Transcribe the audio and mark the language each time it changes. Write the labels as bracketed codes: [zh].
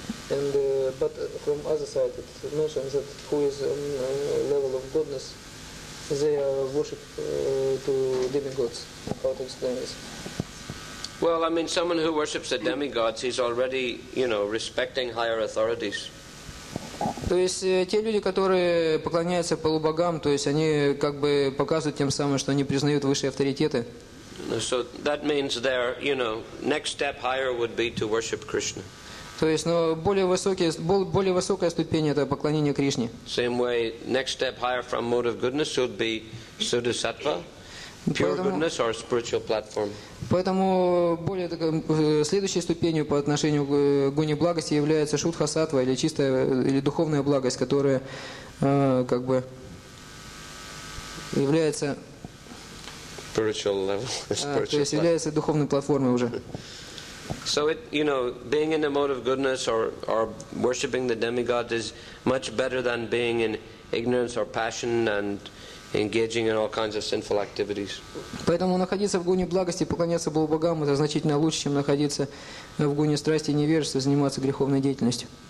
[en] And but from other side, it mentions that who is on level of goodness, they are worship to demigods. How to explain this? Well, I mean, someone who worships the demigods, he's already, you know, respecting higher authorities. [ru] То есть те люди, которые поклоняются полубогам, то есть они как бы показывают тем самым, что они признают высшие авторитеты. [en] So that means their, you know, next step higher would be to worship Krishna. [ru] То есть, но более высокая ступень это поклонение Кришне. [en] Same way, next step higher from mode of goodness would be Sudha-Sattva, pure goodness or spiritual platform. [ru] Поэтому более следующей ступенью по отношению к гуне благости является Шудха-Саттва или чистая или духовная благость, которая как бы является [en] spiritual level. [ru] То есть является духовной платформой уже. [en] So it, you know, being in a mode of goodness or worshipping the demigods is much better than being in ignorance or passion and engaging in all kinds of sinful activities. [ru] Поэтому находиться в гуне благости, поклоняться Богам, это значительно лучше, чем находиться в гуне страсти и невежества, заниматься греховной деятельностью.